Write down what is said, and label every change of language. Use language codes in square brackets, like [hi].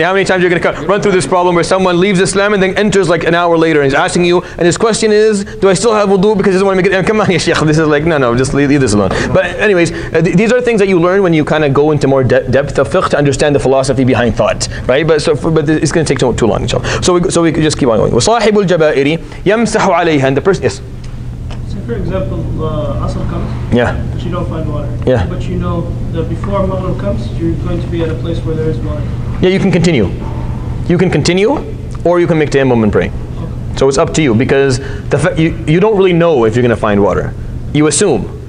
[en] How many times are you going to run through this problem where someone leaves Islam and then enters like an hour later and is asking you, and his question is, do I still have wudu because he doesn't want to make it? Come on, Shaykh, this is like no, just leave this alone. But anyways, these are things that you learn when you kind of go into more depth of fiqh to understand the philosophy behind thought, right? But it's going to take too long, inshallah. So we could just keep on going. [ar] وصاحب الجبائر يمسح عليها. [en] And the person, yes. So for example, Asr comes. Yeah. But you don't find water. Yeah. But you know that before Maghrib comes, you're going to be at a place where there is water. Yeah, you can continue. You can continue, or you can make tayammum and pray. Okay. So it's up to you, because the you don't really know if you're going to find water. You assume.